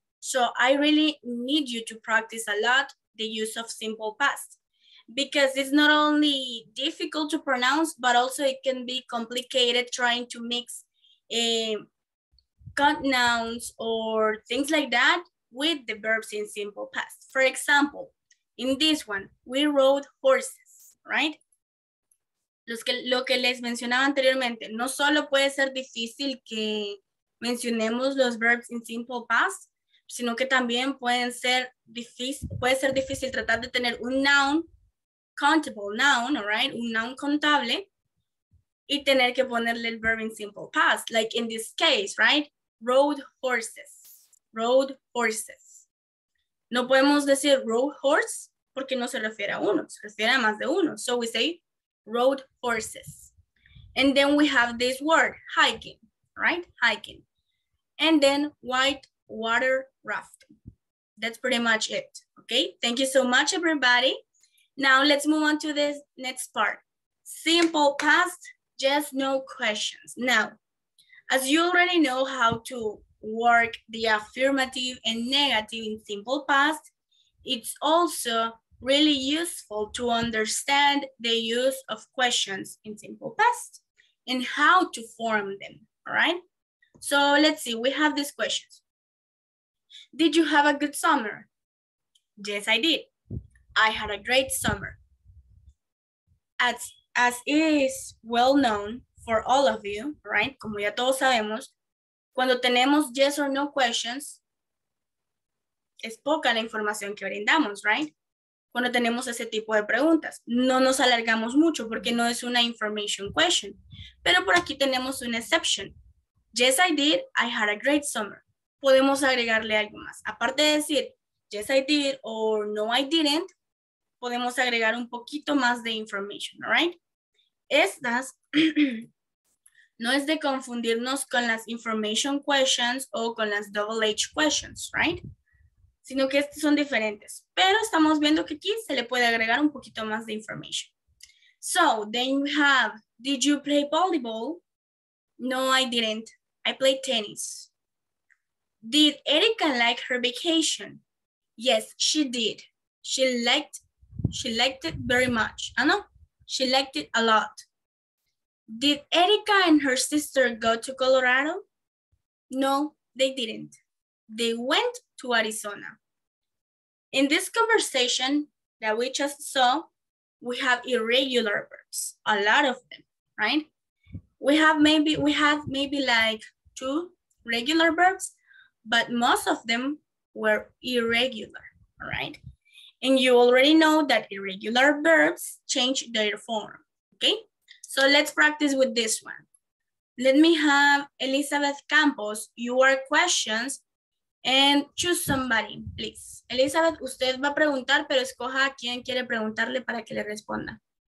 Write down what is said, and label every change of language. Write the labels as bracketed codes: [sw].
[en] So I really need you to practice a lot the use of simple past, because it's not only difficult to pronounce, but also it can be complicated trying to mix cut nouns or things like that with the verbs in simple past. For example, in this one, we rode horses, right? [es] Lo que les mencionaba anteriormente, no solo puede ser difícil que mencionemos los [en] verbs in simple past, [es] sino que también puede ser difícil tratar de tener un noun, [en] countable noun, all right, [es] un noun contable, y tener que ponerle el [en] verb in simple past, like in this case, right, rode horses. [es] No podemos decir rode horse porque no se refiere a uno, se refiere a más de uno, [en] so we say rode horses. And then we have this word, hiking, right, hiking. And then white water rafting. That's pretty much it. Okay, thank you so much, everybody. Now let's move on to this next part. Simple past, just no questions. Now, as you already know how to work the affirmative and negative in simple past, it's also really useful to understand the use of questions in simple past and how to form them, all right? So let's see, we have these questions. Did you have a good summer? Yes, I did. I had a great summer. As is well known for all of you, right? [es] Como ya todos sabemos, cuando tenemos [en] yes or no questions, [es] es poca la información que brindamos, [en] right? [es] Cuando tenemos ese tipo de preguntas, no nos alargamos mucho porque no es una [en] information question. [es] Pero por aquí tenemos una exception. [en] Yes, I did. I had a great summer. [es] Podemos agregarle algo más. Aparte de decir, [en] yes, I did, or no, I didn't, [es] podemos agregar un poquito más de information, [en] all right? [es] Estas No es de confundirnos con las information questions o con las [en] double H questions, right? [es] Sino que estos son diferentes. Pero estamos viendo que aquí se le puede agregar un poquito más de information. [en] So, then we have, did you play volleyball? No, I didn't. I played tennis. Did Erica like her vacation? Yes, she did. She liked it very much. Ana? She liked it a lot. Did Erica and her sister go to Colorado? No, they didn't. They went to Arizona. In this conversation that we just saw, we have irregular verbs, a lot of them, right? We have maybe like two regular verbs, but most of them were irregular, all right? And you already know that irregular verbs change their form, okay? So let's practice with this one. Let me have Elizabeth Campos, your questions, and choose somebody, please. [es] Elizabeth, usted va a preguntar, pero escoja a quien quiere preguntarle para que le responda.